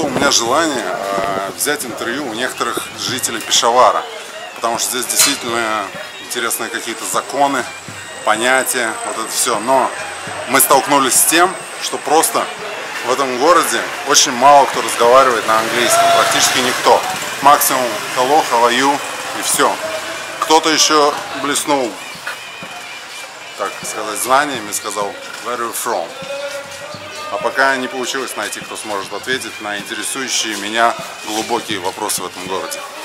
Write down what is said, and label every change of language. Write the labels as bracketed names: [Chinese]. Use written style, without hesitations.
[Russian] Желание взять интервью у некоторых жителей Пешавара, потому что здесь действительно интересные какие-то законы, понятия, вот это все. Но мы столкнулись с тем, что просто в этом городе очень мало кто разговаривает на английском, практически никто. Максимум [English] hello, how are you, [Russian] и все. Кто-то еще блеснул, так сказать, знаниями, сказал [English] where are you from. [Russian] А пока не получилось найти, кто сможет ответить на интересующие меня глубокие вопросы в этом городе.